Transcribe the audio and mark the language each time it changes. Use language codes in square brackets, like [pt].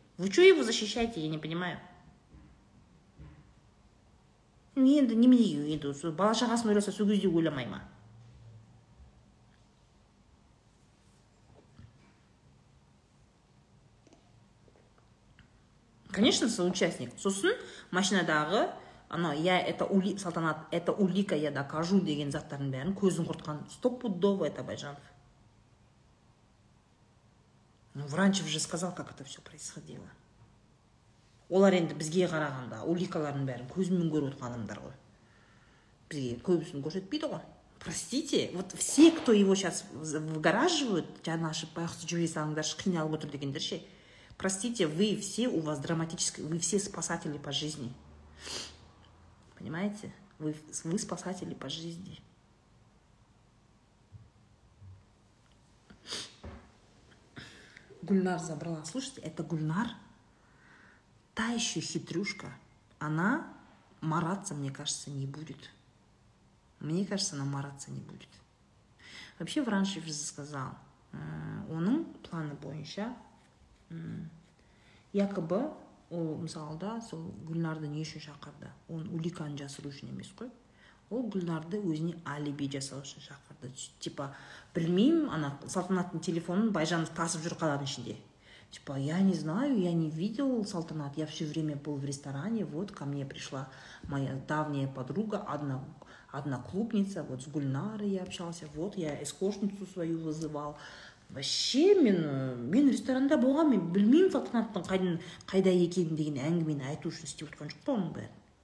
[ru] Вы что его защищаете, я не понимаю. [kk] Енді немеге, енді бала шағасын ойласа сол кезде ойламай ма? [ru] Конечно, соучастник. [kk] Сосын машинадағы ана я это ули салтанат [ru] это улика я докажу [kk] деген заттардың бәрін көзін құртқан стопудово это Байжанов. [ru] Ну Вранчев же сказал, как это все происходило. [kk] Олар енді бізге қарағанда уликаларын бәрін көзімен көріп отырған адамдар ғой. Бізге көбісін көрсетпейді ғой. [ru] Простите, вот все, кто его сейчас выгораживают, [kk] жаны ашып байқұсы жүре салыңдаршы қиналып отыр дегендер ше. [ru] Простите, вы все, у вас драматически, вы все спасатели по жизни. Понимаете? Вы спасатели по жизни. Гульнар забрала. Слушайте, это Гульнар? Та еще хитрюшка. Она мараться, мне кажется, не будет. Мне кажется, она мараться не будет. Вообще, Вранчев же сказал, [kk] он планы бойынша, якобы, ол мысалы да, сол Гүлнарды не үшін шақырды? Он уликан жасыру үшін емес қой. Ол Гүлнарды өзіне алиби жасау үшін шақырды. Типа, білмеймін, ана салтанаттың телефонын Байжанов тасып жүр қаладың ішінде. [ru] Типа, я не знаю, я не видел салтанат. Я все время был в ресторане, вот ко мне пришла моя давняя подруга, одна клубница, вот с Гүлнарой я общался, вот я эскошницу свою вызывал. [kk] Вообще, мен ресторанда болған, мен білмеймін салтанаттың қайда екенін деген әңгімені айту үшін істеп отқан жоқ па оның бәрін.